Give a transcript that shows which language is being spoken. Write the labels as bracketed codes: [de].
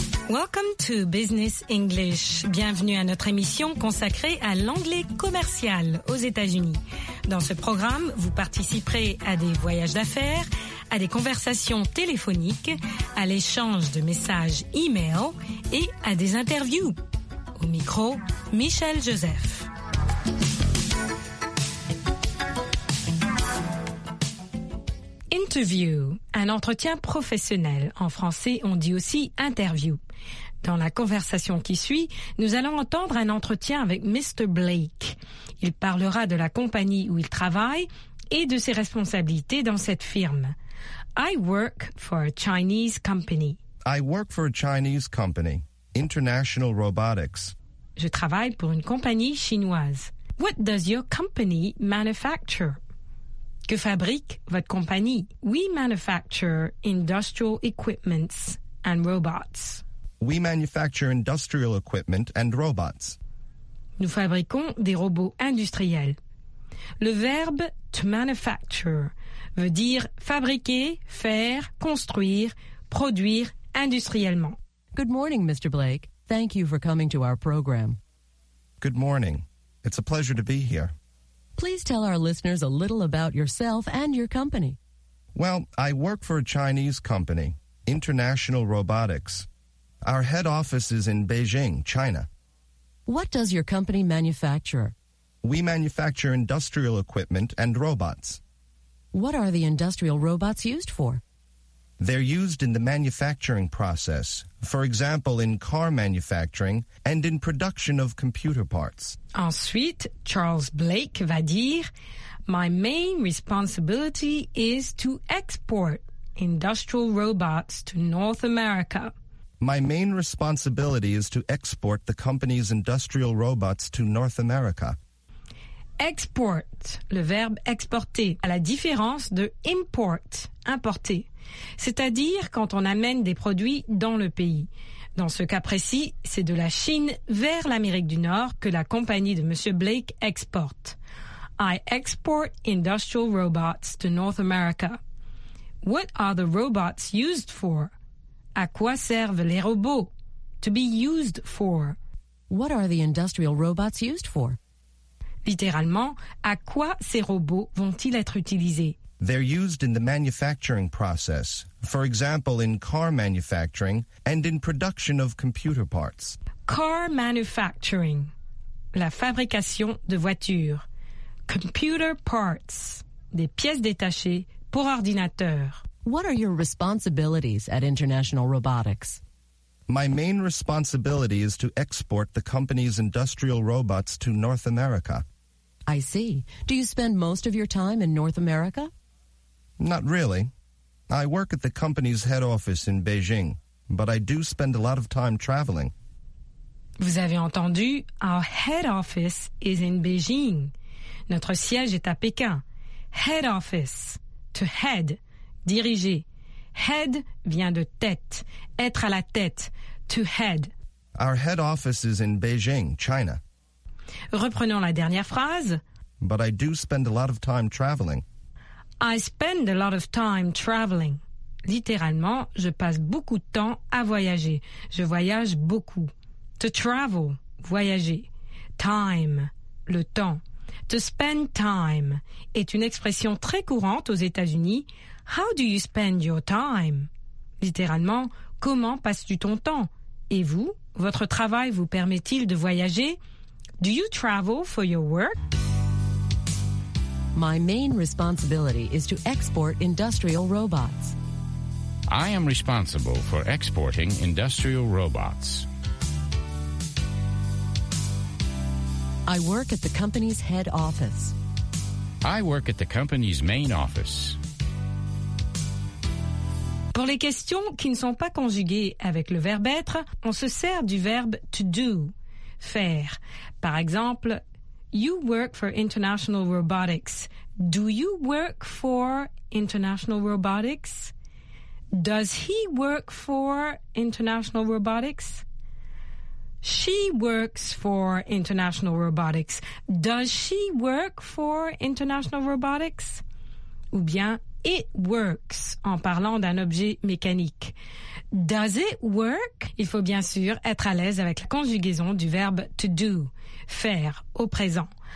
[en] Welcome to Business English. [fr] Bienvenue à notre émission consacrée à l'anglais commercial aux États-Unis. Dans ce programme, vous participerez à des voyages d'affaires, à des conversations téléphoniques, à l'échange de messages e-mail et à des interviews. Au micro, Michel Joseph. Interview, un entretien professionnel. En français, on dit aussi interview. Dans la conversation qui suit, nous allons entendre un entretien avec Mr. Blake. Il parlera de la compagnie où il travaille et de ses responsabilités dans cette firme. [en] I work for a Chinese company. I work for a Chinese company, International Robotics. [fr] Je travaille pour une compagnie chinoise. [en] What does your company manufacture? [fr] Que fabrique votre compagnie? [en] We manufacture industrial equipments and robots. We manufacture industrial equipment and robots. [fr] Nous fabriquons des robots industriels. Le verbe to manufacture veut dire fabriquer, faire, construire, produire industriellement. [en] Good morning, Mr. Blake. Thank you for coming to our program. Good morning. It's a pleasure to be here. Please tell our listeners a little about yourself and your company. Well, I work for a Chinese company, International Robotics. Our head office is in Beijing, China. What does your company manufacture? We manufacture industrial equipment and robots. What are the industrial robots used for? They're used in the manufacturing process, for example, in car manufacturing and in production of computer parts. [fr] Ensuite, Charles Blake va dire, [en] My main responsibility is to export industrial robots to North America. My main responsibility is to export the company's industrial robots to North America. [fr] Export, le verbe exporter, à la différence de import, importer, c'est-à-dire quand on amène des produits dans le pays. Dans ce cas précis, c'est de la Chine vers l'Amérique du Nord que la compagnie de M. Blake exporte. [en] I export industrial robots to North America. What are the robots used for? [fr] À quoi servent les robots? [en] To be used for. What are the industrial robots used for? [fr] Littéralement, à quoi ces robots vont-ils être utilisés? [en] They're used in the manufacturing process. For example, in car manufacturing and in production of computer parts. Car manufacturing. [fr] La fabrication de voitures. [en] Computer parts. [fr] Des pièces détachées pour ordinateur. [en] What are your responsibilities at International Robotics? My main responsibility is to export the company's industrial robots to North America. I see. Do you spend most of your time in North America? Not really. I work at the company's head office in Beijing, but I do spend a lot of time traveling. [fr] Vous avez entendu, [en] our head office is in Beijing. [fr] Notre siège est à Pékin. [en] Head office, to head. [fr] Diriger. Head vient de tête. Être à la tête. [en] To head. Our head office is in Beijing, China. [fr] Reprenons la dernière phrase. [en] But I do spend a lot of time traveling. I spend a lot of time traveling. [fr] Littéralement, je passe beaucoup de temps à voyager. Je voyage beaucoup. To travel. Voyager. Time. Le temps. To spend time est une expression très courante aux États-Unis. [en] How do you spend your time? [fr] Littéralement, comment passes-tu ton temps? [en] Et vous, [fr] votre travail vous permet-il de voyager? [en] Do you travel for your work? My main responsibility is to export industrial robots. I am responsible for exporting industrial robots. I work at the company's head office. I work at the company's main office. [fr] Pour les questions qui ne sont pas conjuguées avec le verbe être, on se sert du verbe to do, faire. Par exemple, [en] You work for International Robotics. Do you work for International Robotics? Does he work for International Robotics? She works for International Robotics. Does she work for International Robotics? [fr] Ou bien, [en] it works, [fr] en parlant d'un objet mécanique. [en] Does it work? [fr] Il faut bien sûr être à l'aise avec la conjugaison du verbe to do, faire, au présent.